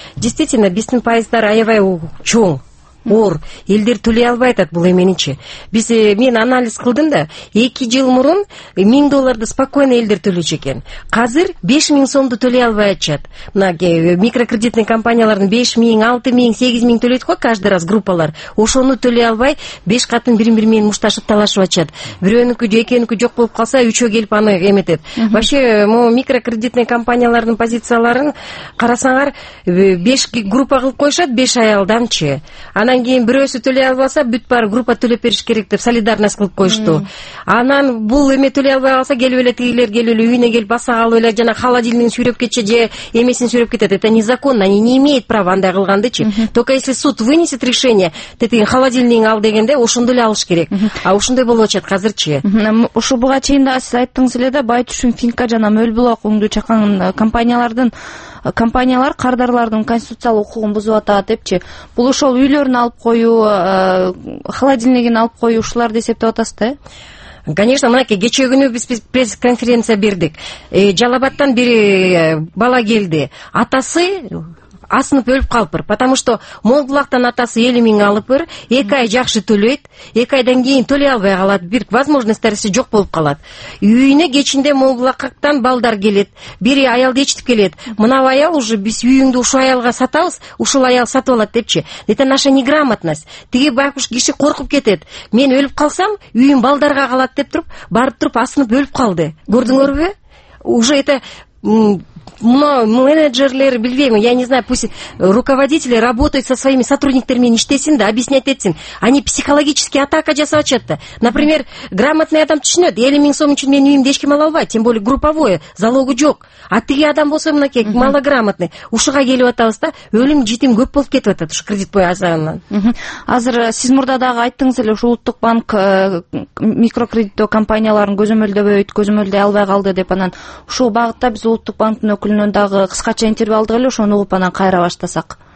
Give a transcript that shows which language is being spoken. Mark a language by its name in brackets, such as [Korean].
[Kyrgyz] Действительно, биздин пайыздар аябай чоң, оор. Элдер төлөй албай атат, бул эменичи. Биз, мен анализ кылдым да, 2 жыл мурун $1000 спокойно элдер төлөчү экен. Азыр 5000 сомду төлөй албай атышат. Мына микрокредитный компаниялардын 5000, 6000, 8000 төлөйт го [Russian] каждый раз [Kyrgyz] группалар. Ошону төлөй албай, беш катын бири бири менен мушташып талашып атышат. Бирөөнүкү, экөөнүкү жок болуп калса, үчөө келип аны эметет. [Russian] Вообще, могу [Kyrgyz] микрокредитный компаниялардын позицияларын карасаңар, 5 группа кылып коюшат, 5 аялданчы. Анан кийин бирөөсү төлөй албаса, бүт баары группа төлөп бериш керек деп солидарность кылып коюшту. Анан бул эме төлөй албай калса, келип эле тигилер келип эле үйүнө келип баса калып эле жана холодильнигин сүйрөп кетчү же эмесин сүйрөп кетет. [Russian] Это незаконно, они не имеют права [Kyrgyz] андай кылгандычы. [Russian] Только если суд вынесет решение, ты [Kyrgyz] тигин холодильнигин ал дегенде ошондо эле алыш керек. А ошондой болуп атышат азырчы. Ушу буга чейин дагы сиз айттыңыз эле да, Байтүшүн, Финка жана Мөлбулак уңду чакан компаниялар кардарлардын конституциялык укугун бузуп атат депчи. Бул ошол үйлөрүн алып коюу, холодильнигин алып коюу ушуларды эсептеп атасыз да? Конечно, мынакей кечээ күнү биз пресс-конференция бердик. Жалабаттан бир бала келди. Атасы асынып өлүп калыптыр, [Russian] потому что [Kyrgyz] Молбулактан атасы 50,000 алыптыр, 2 ай жакшы төлөйт, 2 айдан кийин төлөй албай калат, бир возможность тарисе жок болуп калат. Үйүнө кечинде Молбулактан балдар келет, бири аялды ээрчитип келет. Мына аял уже биз үйүңдү ушул аялга сатабыз, ушул аял сатып алат депчи. [Russian] Это наша неграмотность. [Kyrgyz] Тиги байкуш киши коркуп кетет. Мен өлүп калсам, үйүм балдарга калат деп туруп, барып туруп асынып өлүп калды. Көрдүңөрбү? [Russian] Уже это но менеджерлер, [Kyrgyz] билбейм, [Russian] я не знаю, пусть руководители работают со своими сотрудниками, [Kyrgyz] иштесин да, [Russian] объяснять этим. Они психологически [Kyrgyz] атака жасап атышат да. [Russian] Например, грамотный [Kyrgyz] адам түшүнөт, 50,000 сом үчүн мен үйүмдү эч ким ала албайт, [Russian] тем более групповое, [Kyrgyz] залогу жок. А тиги адам болсо мынакей малограмотный. Ушуга келип атабыз да, өлүм жетим көп болуп кетип атат ушу кредит бою азарынан. Азыр сиз мурда дагы айттыңыз эле, ушул улуттук банк микрокредиттөө компанияларын көзөмөлдөй албай калды деп, анан ушул багытта биз улуттук банктын өкүлүнөн дагы кыскача интервью алдык эле, ошону угуп анан кайра баштасак.